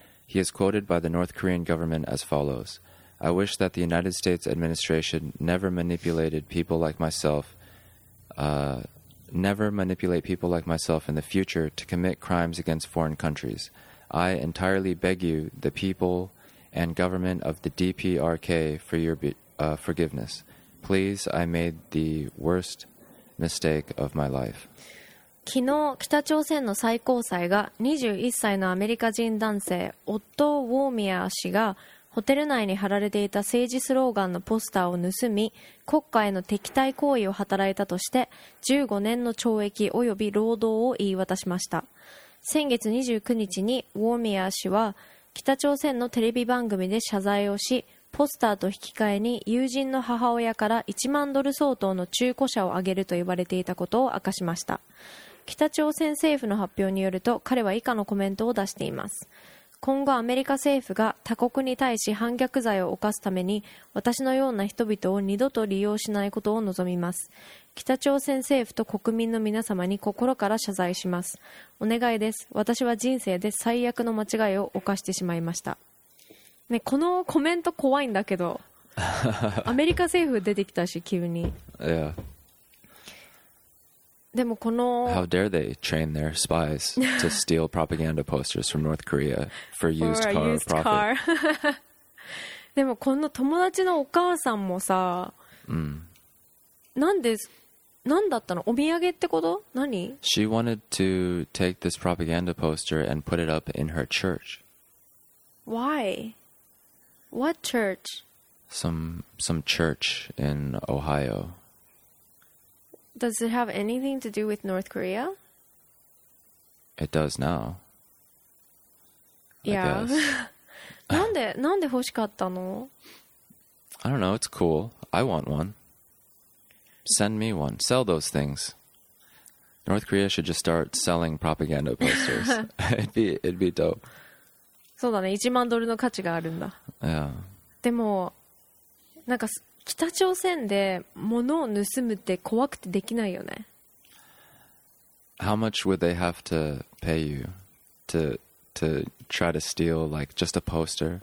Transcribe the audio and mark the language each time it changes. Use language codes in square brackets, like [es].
[en] He is quoted by the North Korean government as follows: I wish that the United States administration never manipulate people like myself in the future to commit crimes against foreign countries. I entirely beg you, the people and government of the DPRK, for your forgiveness. Please, I made the worst mistake of my life. [ja] 昨日、北朝鮮の最高裁が21歳のアメリカ人男性、オット・ウォーミア氏がホテル内に貼られていた政治スローガンのポスターを盗み、国家への敵対行為を働いたとして、15年の懲役及び労働を言い渡しました。先月29日にウォーミア氏は北朝鮮のテレビ番組で謝罪をし、ポスターと引き換えに友人の母親から1万ドル相当の中古車をあげると言われていたことを明かしました。北朝鮮政府の発表によると、彼は以下のコメントを出しています。今後アメリカ政府が他国に対し反逆罪を犯すために、私のような人々を二度と利用しないことを望みます。北朝鮮政府と国民の皆様に心から謝罪します。お願いです。私は人生で最悪の間違いを犯してしまいました。ね、このコメント怖いんだけど。アメリカ政府出てきたし、急に。 [en] Yeah. [ja] でもこの… [en] How dare they train their spies to steal propaganda posters from North Korea for used car profit? For a used car. [ja] でもこの友達のお母さんもさ、なんで、なんだったの？お土産ってこと？何？ [en] She wanted to take this propaganda poster and put it up in her church. Why? What church? Some church in Ohio. Does it have anything to do with North Korea? It does now. [ja] Yeah. なんで欲しかったの? [en] I don't know. It's cool. I want one. Send me one. Sell those things. North Korea should just start selling propaganda posters. it'd be dope. [ja] そうだね、1万ドルの価値があるんだ、 [en] yeah. [ja] でもなんか北朝鮮で物を盗むって怖くてできないよね。 [en] How much would they have to pay you to try to steal like just a poster?